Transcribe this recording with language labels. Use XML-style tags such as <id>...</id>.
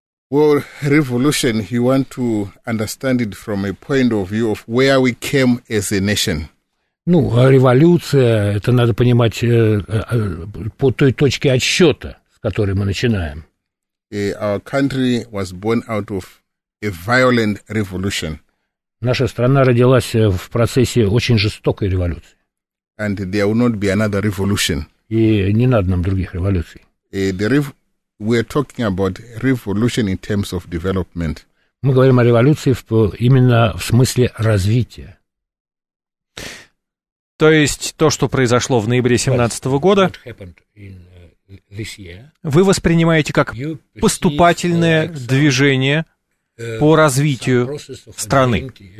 <en>Well, revolution, you want to understand it from a point of view of where we came as a nation.</en> <ru>Ну, революция, это надо понимать по той точке отсчета, с которой мы начинаем.</ru> <en>Our country was born out of a violent revolution.</en> <ru>Наша страна родилась в процессе очень жестокой революции.</ru> <en>And there will not be another revolution.</en> <ru>И не надо нам других революций.</ru> <en>We're talking about revolution in terms of development.</en> <ru>Мы говорим о революции именно в смысле развития. То есть то, что произошло в ноябре 2017 года, вы воспринимаете как поступательное движение по развитию страны.</ru>